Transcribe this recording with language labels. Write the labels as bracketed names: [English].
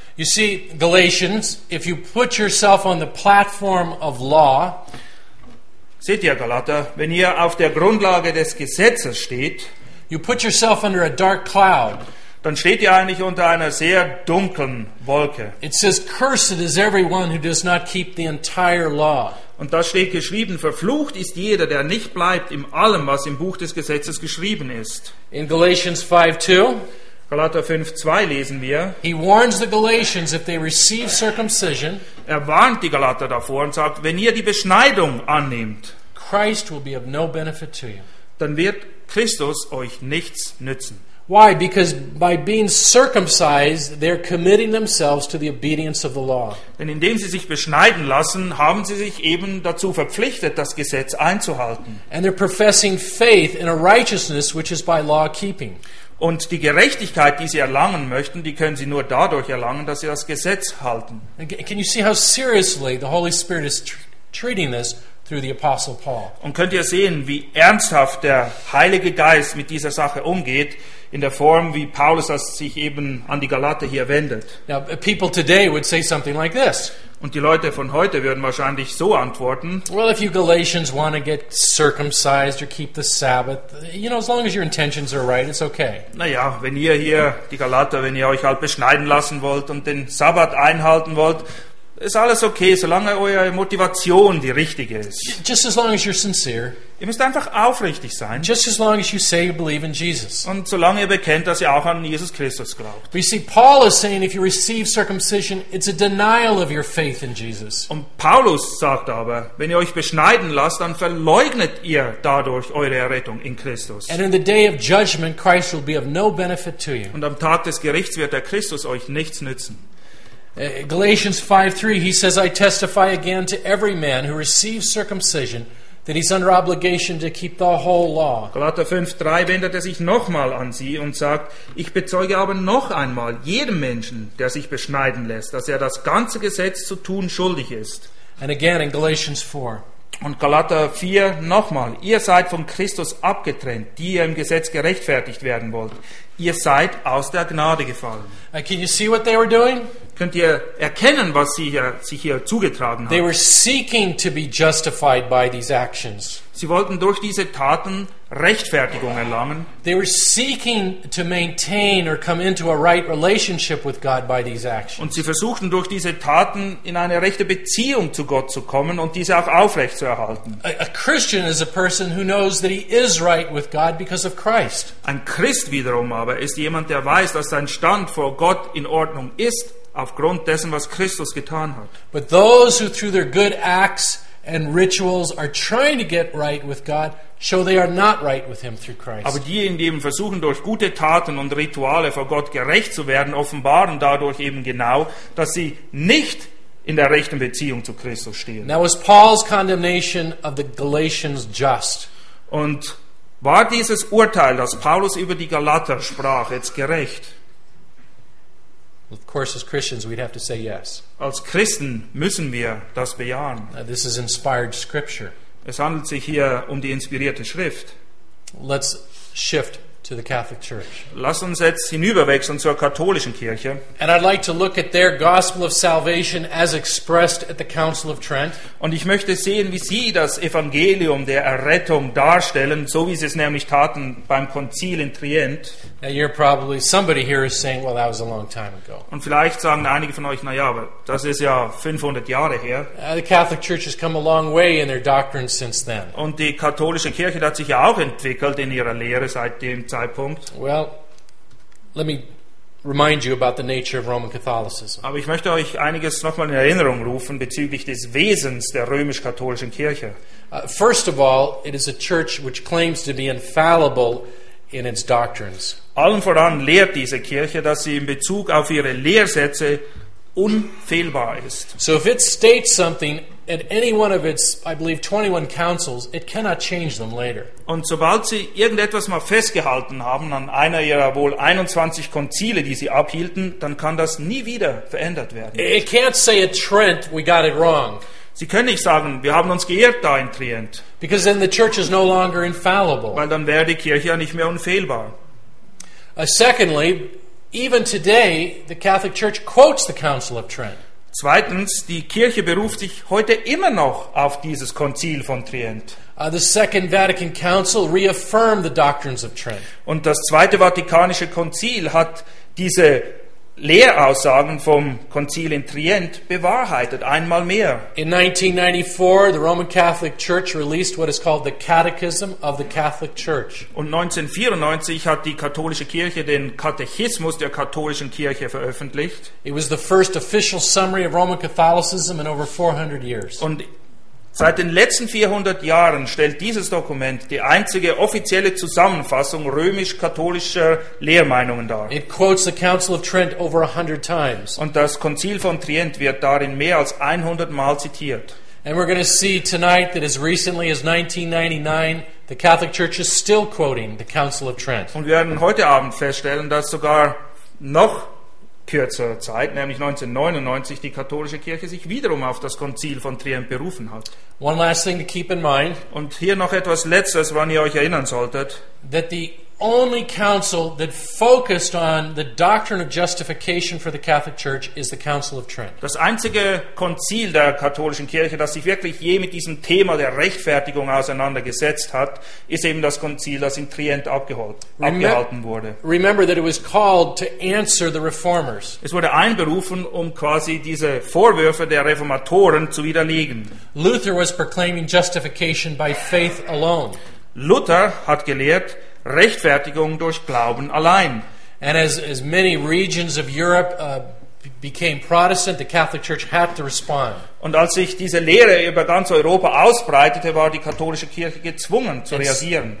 [English] You see, Galatians, if you put yourself on the platform of law, [German] seht ihr, Galater, wenn ihr auf der Grundlage des Gesetzes steht, [English] you put yourself under a dark cloud. [German] Dann steht ihr eigentlich unter einer sehr dunklen Wolke. [English] It says, cursed is everyone who does not keep the entire law. [German] Und da steht geschrieben, verflucht ist jeder, der nicht bleibt in allem, was im Buch des Gesetzes geschrieben ist. [English] In Galatians 5:2, [German] Galater 5:2 lesen wir. [English] He warns the Galatians if they receive circumcision. [German] Er warnt die Galater davor und sagt, wenn ihr die Beschneidung annehmt, [English] Christ will be of no benefit to you. [German] Dann wird Christus euch nichts nützen. [English] Why? Because by being circumcised, they're committing themselves to the obedience of the law. [German] Denn indem sie sich beschneiden lassen, haben sie sich eben dazu verpflichtet, das Gesetz einzuhalten. [English] And they're professing faith in a righteousness which is by law keeping. [German] Und die Gerechtigkeit, die sie erlangen möchten, die können sie nur dadurch erlangen, dass sie das Gesetz halten. [English] Can you see how seriously the Holy Spirit is treating this? Through the Apostle Paul. [German] Und könnt ihr sehen, wie ernsthaft der Heilige Geist mit dieser Sache umgeht, in der Form, wie Paulus das sich eben an die Galater hier wendet. [English] Now, people today would say something like this. [German] Und die Leute von heute würden wahrscheinlich so antworten. [English] Well, if you Galatians want to get circumcised or keep the Sabbath, you know, as long as your intentions are right, it's okay. [German] Naja, wenn ihr hier, die Galater, wenn ihr euch halt beschneiden lassen wollt und den Sabbat einhalten wollt, ist alles okay, solange eure Motivation die richtige ist. [English] Just as long as you're sincere. [German] Ihr müsst einfach aufrichtig sein. [English] Just as long as you say you believe in Jesus. [German] Und solange ihr bekennt, dass ihr auch an Jesus Christus glaubt. [English] But you see, Paul is saying, if you receive circumcision, it's a denial of your faith in Jesus. [German] Und Paulus sagt aber, wenn ihr euch beschneiden lasst, dann verleugnet ihr dadurch eure Errettung in Christus. [English] And in the day of judgment, Christ will be of no benefit to you. [German] Und am Tag des Gerichts wird der Christus euch nichts nützen. [English] Galatians 5:3, he says, I testify again to every man who receives circumcision that he's under obligation to keep the whole law. [German] Galater 5:3 wendet er sich nochmal an sie und sagt, ich bezeuge aber noch einmal jedem Menschen, der sich beschneiden lässt, dass er das ganze Gesetz zu tun schuldig ist. [English] And again in Galatians 4. [German] Und Galater 4 nochmal, ihr seid von Christus abgetrennt, die ihr im Gesetz gerechtfertigt werden wollt. Ihr seid aus der Gnade gefallen. [English] Can you see what they were doing? [German] Könnt ihr erkennen, was sich hier zugetragen hat? [English] They were seeking to be justified by these actions. [German] Sie wollten durch diese Taten Rechtfertigung erlangen. [English] They were seeking to maintain or come into a right relationship with God by these actions. [German] Und sie versuchten durch diese Taten in eine rechte Beziehung zu Gott zu kommen und diese auch aufrechtzuerhalten. [English] A Christian is a person who knows that he is right with God because of Christ. [German] Ein Christ wiederum aber ist jemand, der weiß, dass sein Stand vor Gott in Ordnung ist, aufgrund dessen, was Christus getan hat. [English] But those who through their good acts and rituals are trying to get right with God, show they are not right with him through Christ. [German] Aber diejenigen, die eben versuchen, durch gute Taten und Rituale vor Gott gerecht zu werden, offenbaren dadurch eben genau, dass sie nicht in der rechten Beziehung zu Christus stehen. [English] Now is Paul's condemnation of the Galatians just? [German] Und War dieses Urteil, das Paulus über die Galater sprach, jetzt gerecht? [English] Of course, as Christians, we'd have to say yes. [German] Als Christen müssen wir das bejahen. [English] This is inspired scripture. [German] Es handelt sich hier um die inspirierte Schrift. [English] Let's shift to the Catholic Church. [German] Lass uns jetzt hinüberwechseln zur katholischen Kirche. [English] And I'd like to look at their gospel of salvation as expressed at the Council of Trent. [German] Und ich möchte sehen, wie sie das Evangelium der Errettung darstellen, so wie sie es nämlich taten beim Konzil in Trient. [English] Now you're probably, somebody here is saying, well, that was a long time ago. [German] Und vielleicht sagen einige von euch, naja, aber das ist ja 500 Jahre her. [English] The Catholic Church has come a long way in their doctrine since then. [German] Und die katholische Kirche hat sich ja auch entwickelt in ihrer Lehre seit dem Zeitpunkt. [English] Well, let me remind you about the nature of Roman Catholicism. [German] Aber ich möchte euch einiges nochmal in Erinnerung rufen bezüglich des Wesens der römisch-katholischen Kirche. [English] First of all, it is a church which claims to be infallible in its doctrines. [German] Allen voran lehrt diese Kirche, dass sie in Bezug auf ihre Lehrsätze unfehlbar ist. [English] So if it states something at any one of its, I believe, 21 councils, it cannot change them later. [German] Und sobald sie irgendetwas mal festgehalten haben an einer ihrer wohl 21 Konzile, die sie abhielten, dann kann das nie wieder verändert werden. [English] It can't say at Trent we got it wrong. [German] Sie können nicht sagen, wir haben uns geirrt da in Trient. [English] Because then the church is no longer infallible. [German] Weil dann wäre die Kirche ja nicht mehr unfehlbar. [English] Secondly, even today the Catholic Church quotes the Council of Trent. [German] Zweitens, die Kirche beruft sich heute immer noch auf dieses Konzil von Trient. [English] The Second Vatican Council reaffirmed the doctrines of Trent. [German] Und das Zweite Vatikanische Konzil hat diese Lehraussagen vom Konzil in Trient bewahrheitet einmal mehr. [English] In 1994, the Roman Catholic Church released what is called the Catechism of the Catholic Church. [German] Und 1994 hat die katholische Kirche den Katechismus der katholischen Kirche veröffentlicht. [English] It was the first official summary of Roman Catholicism in over 400 years. [German] Und seit den letzten 400 Jahren stellt dieses Dokument die einzige offizielle Zusammenfassung römisch-katholischer Lehrmeinungen dar. [English] It quotes the Council of Trent over 100 times. [German] Und das Konzil von Trient wird darin mehr als 100 Mal zitiert. [English] And we're going to see tonight that as recently as 1999, the Catholic Church is still quoting the Council of Trent. [German] Und wir werden heute Abend feststellen, dass sogar noch kürzer Zeit, nämlich 1999, die katholische Kirche sich wiederum auf das Konzil von Trient berufen hat. [English] One last thing to keep in mind, [German] und hier noch etwas Letztes, woran ihr euch erinnern solltet, [English] that the only council that focused on the doctrine of justification for the Catholic Church is the Council of Trent. [German] Das einzige Konzil der katholischen Kirche, das sich wirklich je mit diesem Thema der Rechtfertigung auseinandergesetzt hat, ist eben das Konzil, das in Trient abgehalten wurde. [English] Remember that it was called to answer the reformers. [German] Es wurde einberufen, um quasi diese Vorwürfe der Reformatoren zu widerlegen. [English] Luther was proclaiming justification by faith alone. [German] Luther hat gelehrt, Rechtfertigung durch Glauben allein. [English] And as many regions of Europe became Protestant, the Catholic Church had to respond. [German] Und als sich diese Lehre über ganz Europa ausbreitete, war die katholische Kirche gezwungen zu reagieren.